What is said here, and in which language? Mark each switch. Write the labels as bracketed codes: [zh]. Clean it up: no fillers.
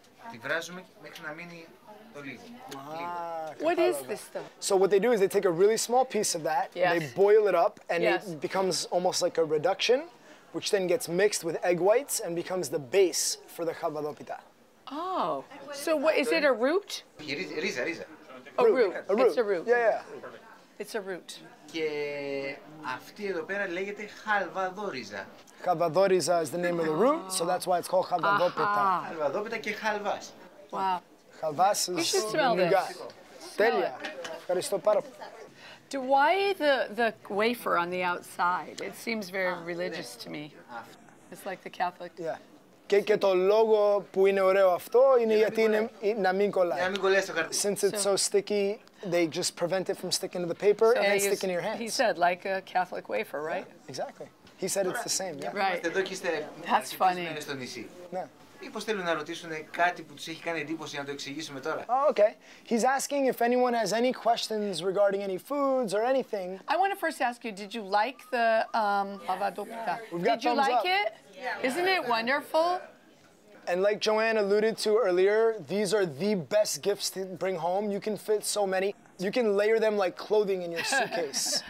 [el] Τη βράζουμε μέχρι να μείνει το λίγο. [en] What is this stuff? So what they do is they take a really small piece of that, yes. They boil it up, and yes. It becomes almost like a reduction, which then gets mixed with egg whites and becomes the base for the chavalopita. Oh, so what is it, a root? [el] Ρίζα. [en] A root. It's a root. Yeah. It's a root. [el] Και αυτή εδώ πέρα λέγεται χαλβαδόριζα. [en] Χαλβαδόριζα is the name of the root, so that's why it's called χαλβαδόπιτα. [el] Χαλβαδόπιτα και χαλβάς. [en] Wow. Χαλβάς is the new guy. [el] Τέλεια. Ευχαριστώ πάρα πολύ. [en] Do why the wafer on the outside? It seems very religious to me. It's like the Catholic. Yeah. [el] Και το λόγο που είναι ωραίο αυτό είναι γιατί είναι να μην κολλάει. Να μην κολλάει στο καρπί. [en] Since it's so sticky, they just prevent it from sticking to the paper and then sticking to your hands. He said, like a Catholic wafer, right? Yeah, exactly. He said it's the same, yeah. Right. [el] Εδώ και είστε αρκετές στο νησί. Μήπως θέλουν να ρωτήσουν κάτι που τους έχει κάνει εντύπωση για να το εξηγήσουμε τώρα. [en] Oh, okay. He's asking if anyone has any questions regarding any foods or anything. I want to first ask you, did you like the avadopita? We've got did you like up. It? Yeah. Isn't it wonderful? And like Joanne alluded to earlier, these are the best gifts to bring home. You can fit so many. You can layer them like clothing in your suitcase.